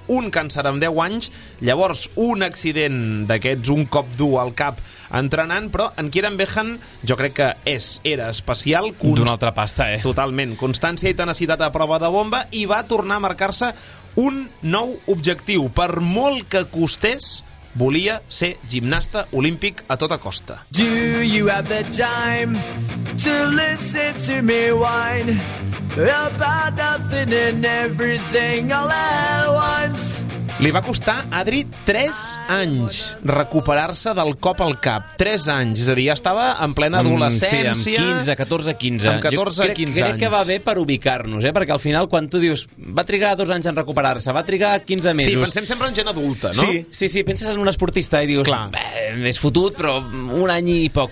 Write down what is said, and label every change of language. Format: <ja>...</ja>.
<ca>Un càncer amb 10 anys, llavors un accident d'aquests, un cop dur al cap entrenant, però en Kieran Behan jo crec que era especial. D'una altra pasta, eh? Totalment. Constància i tenacitat a prova de bomba, i va tornar a marcar-se un nou objectiu. Per molt que costés, volia ser gimnasta olímpic a tota costa.</ca> <en>Do you have the time to listen to me whine about nothing and everything all at once?</en> <ca>Li va costar a Adri 3 anys recuperar-se del cop al cap. 3 anys, és a dir, ja estava en plena adolescència. Sí, amb 15, 14, 15. Amb 14, 15 anys. Crec que va bé per ubicar-nos, perquè al final, quan tu dius va trigar 2 anys en recuperar-se, va trigar 15 mesos. Sí, pensem sempre en gent adulta, no? Sí, sí, penses en un esportista i dius és fotut, però un any i poc.</ca>